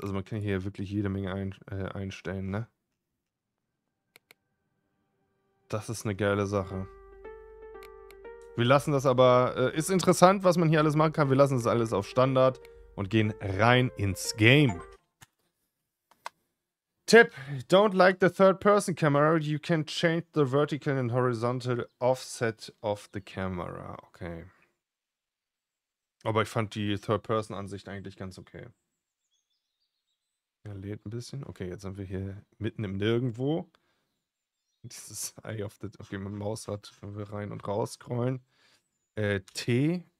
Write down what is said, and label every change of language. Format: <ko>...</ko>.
<de>Also man kann hier wirklich jede Menge einstellen, ne? Das ist eine geile Sache. Wir lassen das aber, ist interessant, was man hier alles machen kann. Wir lassen das alles auf Standard und gehen rein ins Game.</de> <en>Tipp, don't like the third-person camera, you can change the vertical and horizontal offset of the camera. Okay.</en> <de>Aber ich fand die Third-Person-Ansicht eigentlich ganz okay. Er lädt ein bisschen. Okay, jetzt sind wir hier mitten im Nirgendwo. Dieses Eye of the... Okay, mit dem Mausrad können wir rein und raus scrollen. T.</de>